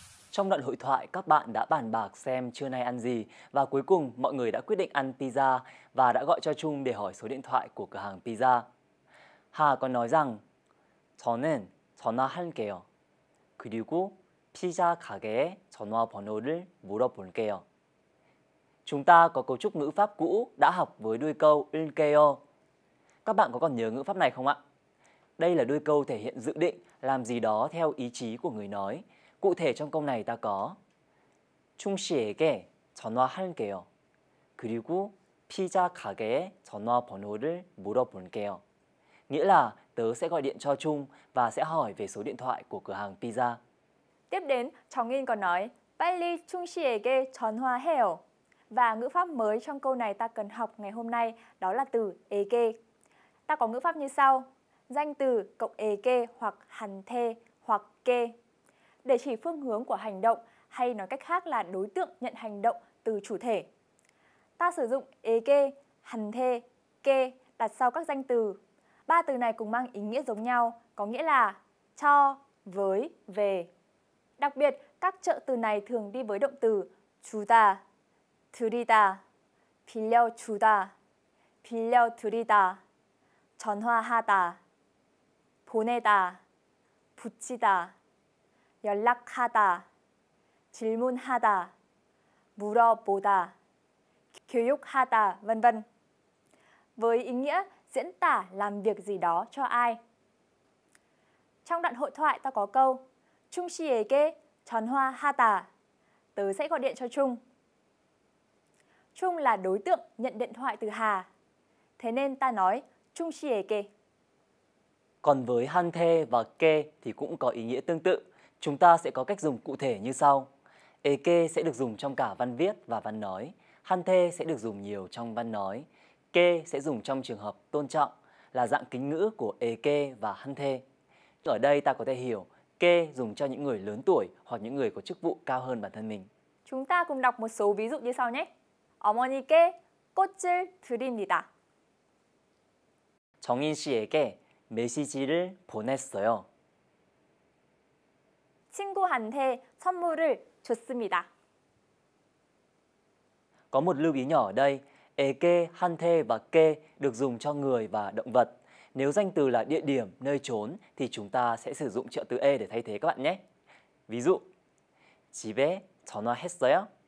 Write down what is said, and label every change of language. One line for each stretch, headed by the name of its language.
Vietnamese: Trong đoạn hội thoại, các bạn đã bàn bạc xem trưa nay ăn gì và cuối cùng mọi người đã quyết định ăn pizza và đã gọi cho Trung để hỏi số điện thoại của cửa hàng pizza. Hà còn nói rằng
Korean: 저는 전화할게요. 그리고 피자 가게에 전화번호를 물어볼게요.
Vietnamese: Chúng ta có cấu trúc ngữ pháp cũ đã học với đuôi câu 할게요. Các bạn có còn nhớ ngữ pháp này không ạ? Đây là đuôi câu thể hiện dự định làm gì đó theo ý chí của người nói. Cụ thể trong câu này ta có
Korean: 충 씨에게 전화할게요. 그리고 피자 가게에 전화번호를 물어볼게요.
Vietnamese: Nghĩa là tớ sẽ gọi điện cho Trung và sẽ hỏi về số điện thoại của cửa hàng pizza. Tiếp đến, 정인 còn nói
Korean: 빨리 충 씨에게 전화해요.
Vietnamese: Và ngữ pháp mới trong câu này ta cần học ngày hôm nay đó là từ 에게. Ta có ngữ pháp như sau. Danh từ cộng 에게 hoặc 한테 hoặc 게. Để chỉ phương hướng của hành động hay nói cách khác là đối tượng nhận hành động từ chủ thể. Ta sử dụng 에게, 한테, 게 đặt sau các danh từ. Ba từ này cùng mang ý nghĩa giống nhau, có nghĩa là cho, với, về. Đặc biệt, các trợ từ này thường đi với động từ 주다, 드리다, 빌려주다, 빌려드리다, 전화하다, 보내다, 붙이다,
Korean: 연락하다, 질문하다, 물어보다, 교육하다, vân vân.
Vietnamese: Với ý nghĩa diễn tả làm việc gì đó cho ai. Trong đoạn hội thoại ta có câu
Korean: 충 씨에게 전화하다.
Vietnamese: Tớ sẽ gọi điện cho Trung. Trung là đối tượng nhận điện thoại từ Hà. Thế nên ta nói 충 씨에게. Còn với han thê và kê thì cũng có ý nghĩa tương tự. Chúng ta sẽ có cách dùng cụ thể như sau. Ê kê sẽ được dùng trong cả văn viết và văn nói. Han thê sẽ được dùng nhiều trong văn nói. Kê sẽ dùng trong trường hợp tôn trọng, là dạng kính ngữ của ê kê và han thê. Ở đây ta có thể hiểu kê dùng cho những người lớn tuổi hoặc những người có chức vụ cao hơn bản thân mình. Chúng ta cùng đọc một số ví dụ như sau nhé.
Korean: 어머니께 꽃을 드립니다. 정인 씨에게 메시지를 보냈어요. 친구한테 선물을 줬습니다.
Vietnamese: Có một lưu ý nhỏ ở đây, ê kê, han thê và kê được dùng cho người và động vật. Nếu danh từ là địa điểm, nơi trốn thì chúng ta sẽ sử dụng trợ từ ê để thay thế các bạn nhé. Ví dụ,
Korean: 집에 전화했어요.